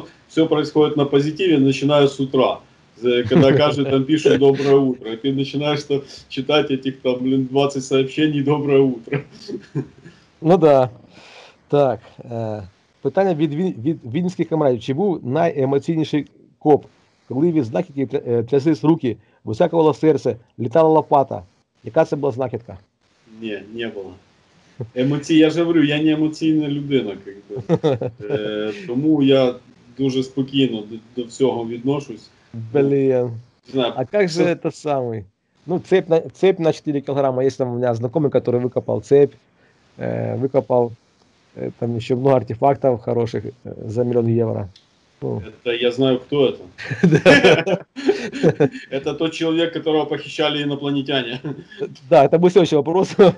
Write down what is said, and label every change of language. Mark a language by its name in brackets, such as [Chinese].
[Russian] Все происходит на позитиве, начиная с утра, когда каждый там пишет «доброе утро», и ты начинаешь там читать этих там, блин, 20 сообщений «доброе утро». Ну да. [Ukrainian] Так, питання від вінських комрадів. Чи був найемоційніший коп, коли від знахідки тряслись руки, висякувало серце, літала лопата? Яка це була знахідка? Ні, не було. Я ж говорю, я не емоційна людина, как бы. Тому я дуже спокійно до всього відношусь. Блін, а як же це самий? Ну, цепь на 4 кілограма, є там у мене знайомий, який викопав цепь. [Russian] Выкопал там еще много артефактов хороших за миллион евро. Это я знаю, кто это. Это тот человек, которого похищали инопланетяне. Да, это был следующий вопрос.